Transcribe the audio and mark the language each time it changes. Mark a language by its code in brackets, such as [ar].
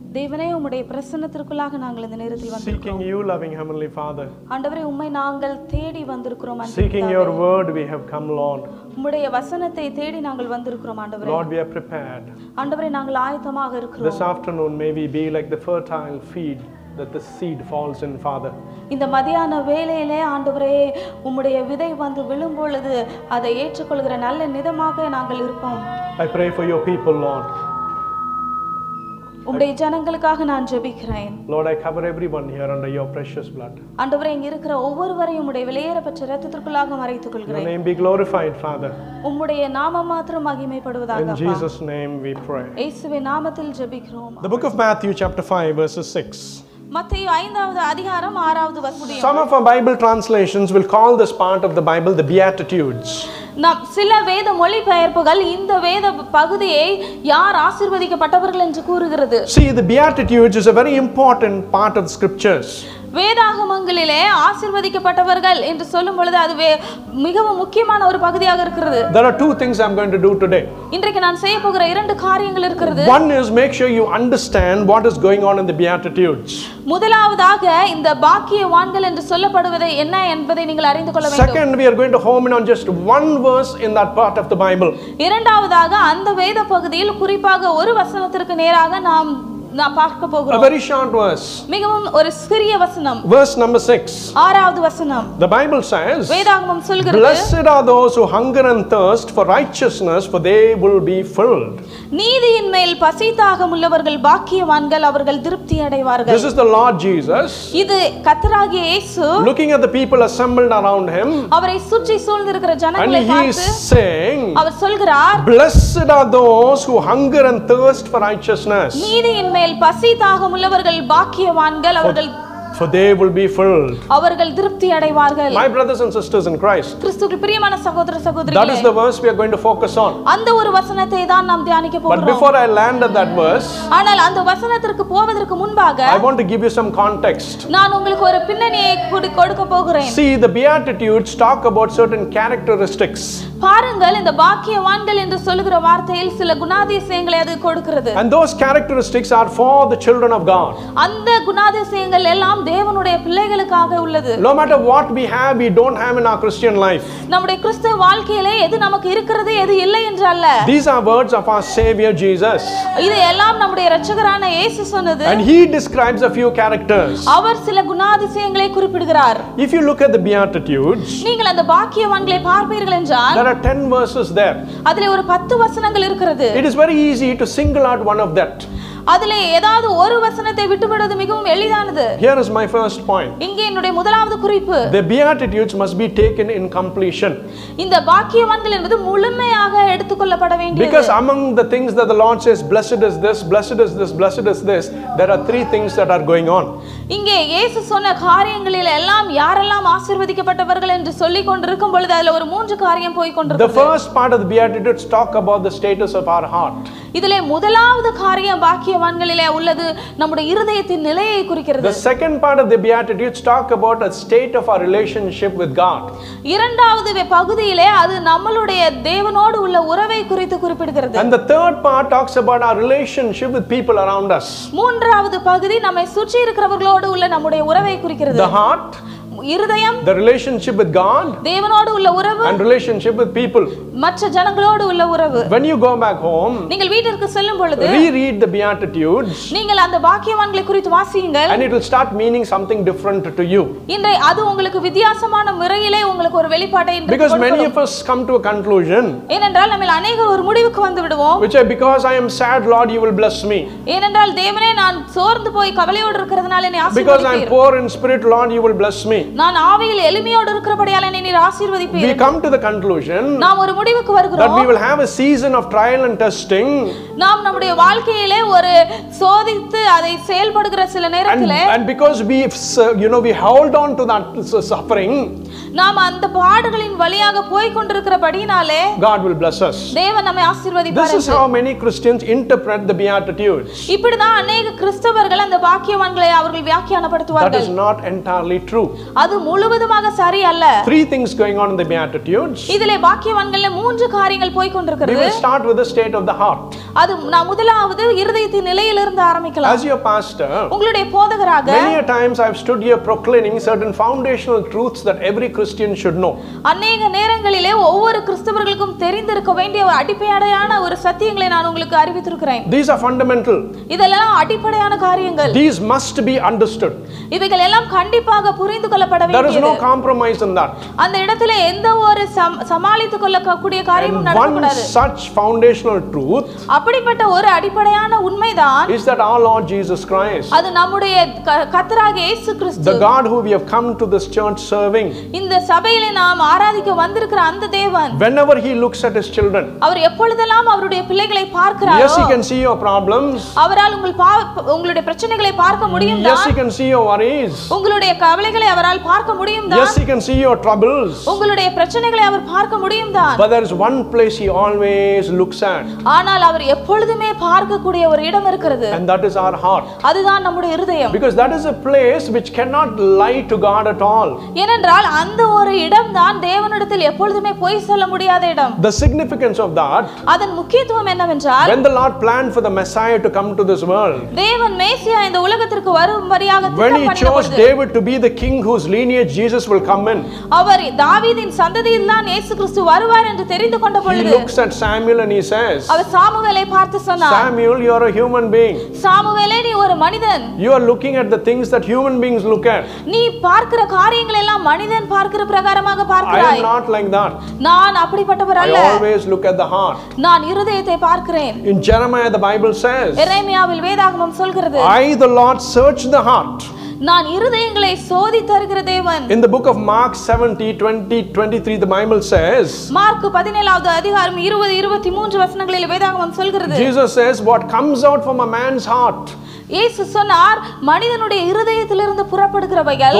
[ta] தேவனே உம்முடைய பிரசன்னத்திற்குள்ளாக நாங்கள் இந்த நேரத்தில் வந்திருக்கிறோம். [en] Seeking you, loving heavenly Father. [ta] ஆண்டவரே உம்மை நாங்கள் தேடி வந்திருக்கிறோம் ஆண்டவரே. [en] Seeking your word we have come, Lord. [ta] உம்முடைய வசனத்தை தேடி நாங்கள் வந்திருக்கிறோம் ஆண்டவரே. [en] Lord, we are prepared. [ta] ஆண்டவரே நாங்கள் ஆயத்தமாக இருக்கிறோம். [en] This afternoon may we be like the fertile field that the seed falls in, Father. [ta] இந்த மதியான வேளையிலே ஆண்டவரே உம்முடைய விதை வந்து விழும் பொழுது அதை ஏற்றுக்கொள்கிற நல்ல நிதமாக நாங்கள் இருப்போம். [en] I pray for your people, Lord. [ta] உம்முடைய ஜனங்களுக்காக நான் ஜெபிக்கிறேன். [en] Lord, I cover everyone here under your precious blood. [ta] ஆண்டவரே இங்க இருக்கிற ஒவ்வொருவரையும் உம்முடைய விலையேறப்பட்ட இரத்தத்திற்குள்ளாக மறைத்துக் கொள்கிறேன். [en] Your name be glorified, Father. [ta] உம்முடைய நாமம் மாத்திரம் மகிமைப்படுவதாக. [en] In Jesus name we pray. [ta] இயேசுவின் நாமத்தில் ஜெபிக்கிறோம். [en] The book of Matthew chapter 5 verses 6. [ta] மத்தேயு 5வது அதிகாரம் 6வது வசனம். [en] Some of our Bible translations will call this part of the Bible the Beatitudes. [ta] நாம் சில வேத மொழிபெயர்ப்புகள் இந்த வேத பகுதியை யார் ஆசீர்வதிக்கப்பட்டவர்கள் என்று கூறுகிறது. [en] See, the Beatitudes is a very important part of the scriptures. [ta] வேதாகமங்களிலே ஆசீர்வதிக்கப்பட்டவர்கள் என்று சொல்லும் பொழுது அது மிகவும் முக்கியமான ஒரு பகுதியாக இருக்கிறது. [en] There are two things I'm going to do today. [ta] இன்றைக்கு நான் செய்ய போகிற இரண்டு காரியங்கள் இருக்கிறது. [en] One is make sure you understand what is going on in the Beatitudes. [ta] முதலாவதாக இந்த பாக்கிய வான்கள் என்று சொல்லப்படுவதை என்ன என்பதை நீங்கள் அறிந்து கொள்ள வேண்டும். [en] Second, we are going to home in on just one verse in that part of the Bible. [ta] இரண்டாவதாக அந்த வேத பகுதியில் குறிப்பாக ஒரு வசனத்திற்கு நேராக நாம் [en] A very short verse. [ta] மிகவும் ஒரு சிறிய வசனம். [en] Verse number 6. [ta] 6வது வசனம். [en] The Bible says, [ta] வேதாகமம் சொல்கிறது, [en] Blessed are those who hunger and thirst for righteousness, for they will be filled. [ta] நீதியின் மேல் பசிதாகமுள்ளவர்கள் பாக்கியவான்கள், அவர்கள் திருப்தி அடைவார்கள். [en] This is the Lord Jesus. [ta] இது கர்த்தராகிய இயேசு. [en] Looking at the people assembled around him. [ta] அவரை சுற்றி சூழ்ந்திருக்கிற ஜனங்களை பார்த்து, [en] And he is saying, [ta] அவர் சொல்கிறார், [en] Blessed are those who hunger and thirst for righteousness. [ta] நீதியின் மேல் பசிதாகமுள்ளவர்கள் பாக்கியவான்கள், அவர்கள் [en] For they will be filled. [ta] அவர்கள் திருப்தி அடைவார்கள். [en] My brothers and sisters in Christ. [ta] கிறிஸ்துவுக்கு பிரியமான சகோதர சகோதரிகளே. [en] That is the verse we are going to focus on. [ta] அந்த ஒரு வசனத்தை தான் நாம் தியானிக்க போகிறோம். [en] But before I land at that verse. [ta] ஆனால் அந்த வசனத்திற்கு போவதற்கு முன்பாக [en] I want to give you some context. [ta] நான் உங்களுக்கு ஒரு பின்னணியை கொடுக்க போகிறேன். [en] See, the Beatitudes talk about certain characteristics. [ta] பாருங்கள், இந்த பாக்கியவான்கள் என்று சொல்கிற வார்த்தையில் சில குணாதிசயங்களை அது கொடுக்கிறது. [en] And those characteristics are for the children of God. [ta] அந்த குணாதிசயங்கள் எல்லாம் தேவனுடைய பிள்ளைகளுக்காக உள்ளது. [en] No matter what we have, we don't have in our Christian life. [ta] நம்முடைய கிறிஸ்தவ வாழ்க்கையிலே எது நமக்கு இருக்கிறது எது இல்லை என்றல்ல. [en] These are words of our Savior Jesus. [ta] இதெல்லாம் நம்முடைய இரட்சகரான இயேசு சொன்னது. [en] And he describes a few characters. [ta] அவர் சில குணாதிசயங்களை குறிப்பிடுகிறார். [en] If you look at the Beatitudes, [ta] நீங்கள் அந்த பாக்கியவான்களை பார்ப்பீர்கள் என்றால், [en] there are 10 verses there. [ta] அதிலே ஒரு 10 வசனங்கள் இருக்கிறது. [en] It is very easy to single out one of that. [ta] அதிலே ஏதாவது ஒரு வசனத்தை விட்டுவிடுவது மிகவும் எளிதானது. [en] Here is my first point. [ta] இங்கே என்னுடைய முதலாவது குறிப்பு. [en] The Beatitudes must be taken in completion. [ta] இந்த பாக்கியவான்கள் என்பது முழுமையாக எடுத்துக்கொள்ளப்பட வேண்டியது. [en] Because among the things that the Lord says, blessed is this, blessed is this, blessed is this, there are three things that are going on. [ta] இங்கே இயேசு சொன்ன காரியங்களில் எல்லாம் யாரெல்லாம் ஆசீர்வதிக்கப்பட்டவர்கள் என்று சொல்லிக் கொண்டிருக்கும் பொழுது அதுல ஒரு மூன்று காரியம் போய் கொண்டிருக்கிறது. [en] The first part of the Beatitudes talk about the status of our heart. [ta] இதிலே முதலாவது காரியம் பாக்கியவான்களிலே உள்ளது நம்முடைய இருதயத்தின் நிலையை குறிக்கிறது. [en] The second part of the Beatitudes talk about a state of our relationship with God. [ta] இரண்டாவது பகுதியிலே அது நம்மளுடைய தேவனோடு உள்ள உறவை குறித்து குறிப்பிடுகிறது. [en] And the third part talks about our relationship with people around us. [ta] மூன்றாவது பகுதி நம்மை சுற்றி இருக்கிறவர்களோடு உள்ள நம்முடைய உறவை குறிக்கிறது. [en] The heart, [ta] இருதயம், [en] the relationship with God, [ta] தேவனோடு உள்ள உறவு, [en] and relationship with people, [ta] மற்ற ஜனங்களோடு உள்ள உறவு. [en] When you go back home, [ta] நீங்கள் வீட்டிற்கு செல்லும் பொழுது, [en] reread the Beatitudes, [ta] நீங்கள் அந்த பாக்கியவான்களை குறித்து வாசியுங்கள், [en] and it will start meaning something different to you. [ta] இன்றை அது உங்களுக்கு வித்தியாசமான முறையிலே உங்களுக்கு ஒரு வெளிப்பாட்டை கொடுக்கும். [en] Because many of us come to a conclusion, [ta] ஏனென்றால் நம்மில் அநேகர் ஒரு முடிவுக்கு வந்து விடுவோம், [en] which is because I am sad, Lord, you will bless me. [ta] ஏனென்றால் தேவனே நான் சோர்ந்து போய் கவலையோடு இருக்கிறதுனால என்னை ஆசீர்வதிப்பீர். [en] Because I am poor in spirit, Lord, you will bless me. [ta] நான் ஆவியில் எளிமையோடு இருக்கிறபடியால் என்னை நீர் ஆசீர்வதிப்பீர். [en] We come to the conclusion. [ta] நாம் ஒரு முடிவுக்கு வருகிறோம். [en] That we will have a season of trial and testing. [ta] நாம் நம்முடைய வாழ்க்கையிலே ஒரு சோதித்து அதை செயல்படுகிற சில நேரத்தில் [en] and because we hold on to that suffering [ta] நாம் அந்த பாடுகளின் வழியாக போய் கொண்டிருக்கிறபடியாலே [en] God will bless us [ta] தேவன் நம்மை ஆசீர்வதிப்பார் [en] This is how many Christians interpret the beatitudes [ta] இப்படி தான் अनेक கிறிஸ்தவர்கள் அந்த வாக்கியங்களை அவர்கள் வியாக்கியானப்படுத்துவார்கள் [en] That is not entirely true [ta] அது முழுவதுமாக சரி அல்ல [en] Three things going on in the beatitudes [ta] இதிலே வாக்கியங்களில் மூன்று காரியங்கள் போய் கொண்டிருக்கிறது [en] We will start with the state of the heart [ta] அது நாம் முதலாவது இதயத்தின் நிலையிலிருந்து ஆரம்பிக்கலாம் [en] As your pastor [ta] உங்களுடைய போதகராக [en] Many a times I have stood here proclaiming certain foundational truths that every Christian should know. [ta] அநேக நேரங்களிலே ஒவ்வொரு கிறிஸ்தவர்களுக்கும் தெரிந்திருக்க வேண்டிய ஒரு அடிப்படையான ஒரு சத்தியங்களை நான் உங்களுக்கு அறிவித்திருக்கிறேன். [en] These are fundamental. [ta] இதெல்லாம் அடிப்படையான காரியங்கள். [en] These must be understood. [ta] இவைகள் எல்லாம் கண்டிப்பாக புரிந்து கொள்ளப்பட வேண்டியது. [en] There is no compromise in that. [ta] அந்த இடத்துல எந்த ஒரு சமாளித்துக் கொள்ளக்கூடிய காரியமும் நடக்கக்கூடாது. [en] One such foundational truth. [ta] அப்படிப்பட்ட ஒரு அடிப்படையான உண்மைதான். [en] Is that our Lord Jesus Christ. [ta] அது நம்முடைய கர்த்தராக இயேசு கிறிஸ்து. [en] The God who we have come to this church serving. [ta] இந்த சபையிலே நாம் ஆராதிக்க வந்திருக்கிற அந்த தேவன் [en] whenever he looks at his children [ta] அவர் எப்பொழுதெல்லாம் அவருடைய பிள்ளைகளை பார்க்கிறாரோ [en] yes he can see your problems [ta] அவரால் உங்களுடைய பிரச்சனைகளை பார்க்க முடியும் [en] yes he can see your worries [ta] உங்களுடைய கவலைகளை அவரால் பார்க்க முடியும் [en] yes he can see your troubles [ta] உங்களுடைய பிரச்சனைகளை அவர் பார்க்க முடியும் [en] but there is one place he always looks at [ta] ஆனால் அவர் எப்பொழுதுமே பார்க்கக்கூடிய ஒரு இடம் இருக்குது [en] and that is our heart [ta] அதுதான் நம்முடைய இதயம் [en] because that is a place which cannot lie to god at all [ta] ஏனென்றால் அந்த ஒரு இடம் தான் தேவனிடத்தில் எப்பொழுதுமே போய் சொல்ல முடியாத இடம் [en] the significance of that [ta] அதன் முக்கியத்துவம் என்னவென்றால் [en] when the lord planned for the messiah to come to this world [ta] தேவன் மேசியா இந்த உலகத்திற்கு வரும்படியாக திட்டமிட்டார் [en] when he chose david to be the king whose lineage jesus will come in [ta] அவர் தாவீதின் சந்ததியில் தான் இயேசு கிறிஸ்து வருவார் என்று தெரிந்து கொண்ட பொழுது [en] he looks at samuel and he says [ta] அவர் சாமுவேலை பார்த்து சொன்னார் [en] samuel you are a human being [ta] சாமுவேலே நீ ஒரு மனிதன் [en] you are looking at the things that human beings look at [ta] நீ பார்க்கிற காரியங்களை எல்லாம் மனிதன் பார்க்கிற பிரகாரமாக பார்க்கிறாய் [en] I am not like that [ta] நான் அப்படிப்பட்டவர் அல்ல [en] I always look at the heart [ta] நான் இருதயத்தை பார்க்கிறேன் [en] In Jeremiah the Bible says [ta] எரேமியாவில் வேதாகமம் சொல்கிறது [en] I the Lord search the heart [ta] நான் இருதயங்களை சோதி தருகிற தேவன் [en] In the book of Mark 7:20-23 the Bible says [ta] Mark 17th அதிகாரம் 20-23 வசனங்களில் வேதாகமம் சொல்கிறது [en] Jesus says what comes out from a man's heart [ta] இயேசு சொன்னார் மனிதனுடைய இருதயத்திலிருந்து புறப்படுகிறவைகள்